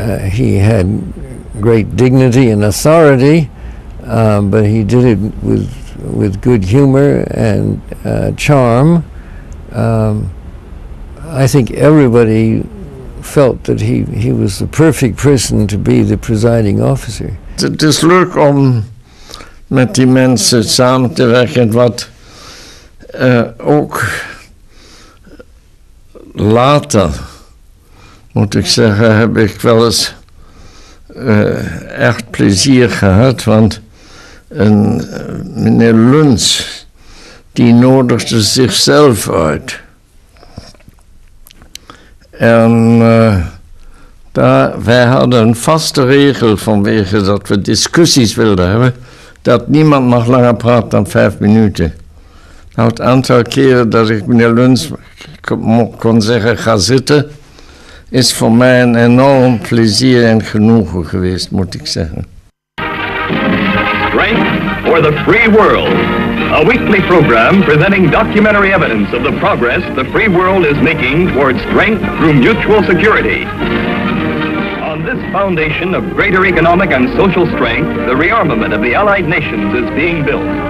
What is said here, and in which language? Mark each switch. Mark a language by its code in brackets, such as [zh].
[en] He had great dignity and authority, but he did it with good humor and charm. I think everybody felt that he was the perfect person to be the presiding officer. [nl] Het is leuk om met die mensen samen te werken, wat ook later, moet ik zeggen, heb ik wel eens echt plezier gehad, want meneer Luns, die nodigde zichzelf uit. En wij hadden een vaste regel vanwege dat we discussies wilden hebben, dat niemand mag langer praten dan 5 minuten. Nou, het aantal keren dat ik meneer Luns kon zeggen ga zitten, is voor mij een enorm plezier en genoegen geweest, moet ik zeggen. [en] Strength for the Free World. A weekly program presenting documentary evidence of the progress the free world is making towards strength through mutual security. On this foundation of greater economic and social strength, the rearmament of the Allied nations is being built.